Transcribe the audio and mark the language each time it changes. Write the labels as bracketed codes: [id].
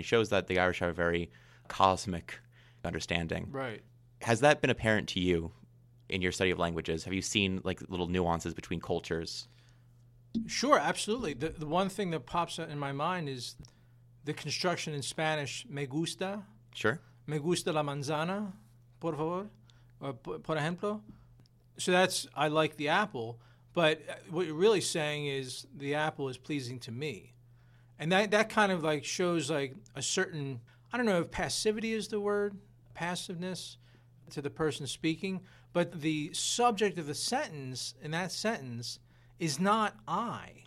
[en] It shows that the Irish have a very cosmic understanding. Right. Has that been apparent to you in your study of languages? Have you seen like little nuances between cultures? Sure, absolutely. The one thing that pops up in my mind is the construction in Spanish, [es] me gusta. [en] Sure. [es] Me gusta la manzana, por favor, or por ejemplo. [en] So that's, I like the apple. But what you're really saying is the apple is pleasing to me. And that kind of like shows like a certain, I don't know if passivity is the word, passiveness to the person speaking. But the subject of the sentence in that sentence is not I.